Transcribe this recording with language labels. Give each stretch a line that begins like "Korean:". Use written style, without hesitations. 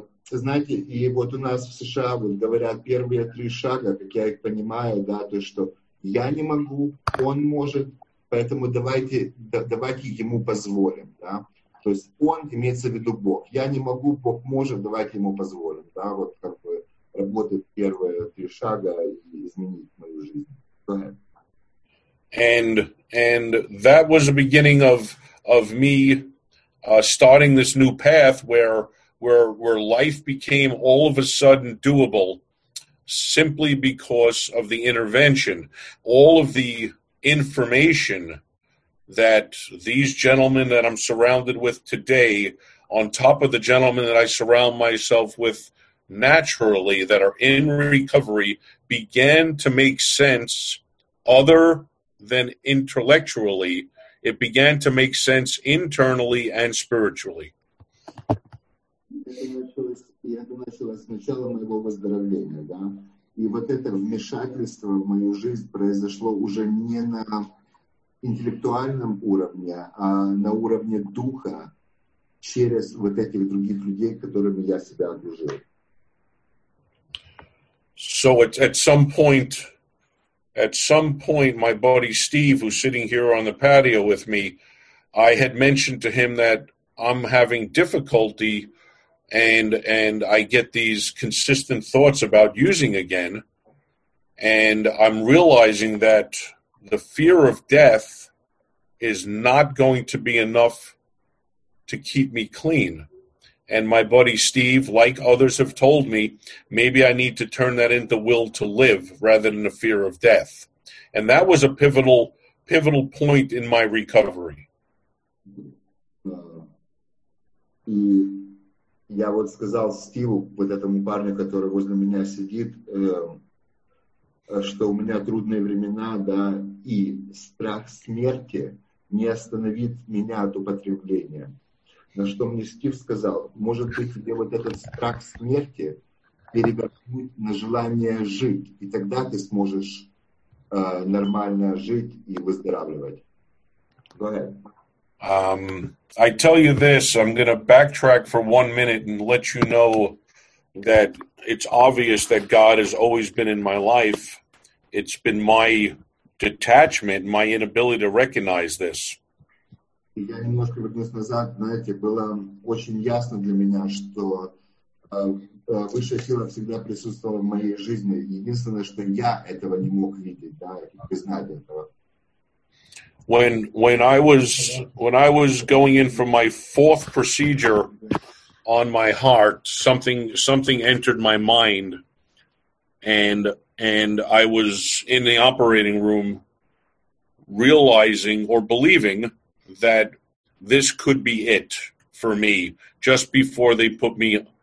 Russian: Знаете, и вот у нас в США вот говорят первые три шага, как я их понимаю, да, то есть что я не могу, он может, поэтому давайте ему позволим, да. То есть он, имеется в виду Бог. Я не могу, Бог может, давайте ему позволим, да, вот как бы работает первые три шага и изменить мою жизнь.
English: And that was the beginning of me starting this new path where life became all of a sudden doable simply because of the intervention. All of the information that these gentlemen that I'm surrounded with today, on top of the gentlemen that I surround myself with naturally that are in recovery, began to make sense. Other than intellectually, it began to make sense internally and spiritually.
Russian: Это началось с начала моего выздоровления, да? И вот это вмешательство в мою жизнь произошло уже не на интеллектуальном уровне, а на уровне духа через вот этих других людей, которыми я себя окружил.
English: So at some point, my buddy Steve, who's sitting here on the patio with me, I had mentioned to him that I'm having difficulty and I get these consistent thoughts about using again. And I'm realizing that the fear of death is not going to be enough to keep me clean. And my buddy Steve, like others have told me, maybe I need to turn that into will to live rather than the fear of death. And that was a pivotal point in my recovery.
Russian: И я вот сказал Стиву, вот этому парню, который возле меня сидит, что у меня трудные времена, да, и страх смерти не остановит меня от употребления. На что мне Стив сказал, может быть, тебе вот этот страх смерти перевернет на желание жить, и тогда ты сможешь нормально жить и выздоравливать.
English: Go ahead. I tell you this, I'm going to backtrack for 1 minute and let you know that it's obvious that God has always been in my life. It's been my detachment, my inability to recognize this.
Russian: Я немножко вернусь назад, знаете, было очень ясно для меня, что высшая сила всегда присутствовала в моей жизни. Единственное, что я этого не мог видеть, да, признать этого.
English: When I was going in for my fourth procedure on my heart, something entered my mind, and I was in the operating room realizing or believing that this could be it for me just before they put me